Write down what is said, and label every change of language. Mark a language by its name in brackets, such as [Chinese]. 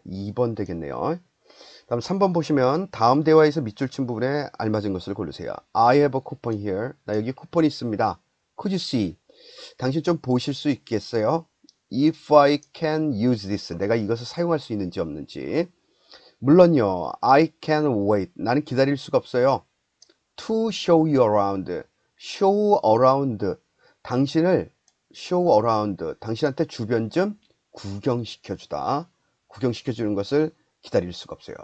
[Korean] 2번 되겠네요. 다음, 3번 보시면 다음 대화에서 밑줄 친 부분에 알맞은 것을 고르세요. [English] I have a coupon here. [Korean] 나 여기 쿠폰 있습니다. [English] Could you see? [Korean] 당신 좀 보실 수 있겠어요? [English] If I can use this. [Korean] 내가 이것을 사용할 수 있는지 없는지. 물론요, [English] I can wait. [Korean] 나는 기다릴 수가 없어요. [English] To show you around. Show around. [Korean] 당신을 [English] show around. [Korean] 당신한테 주변 좀 구경시켜 주다. 구경시켜 주는 것을 기다릴 수가 없어요.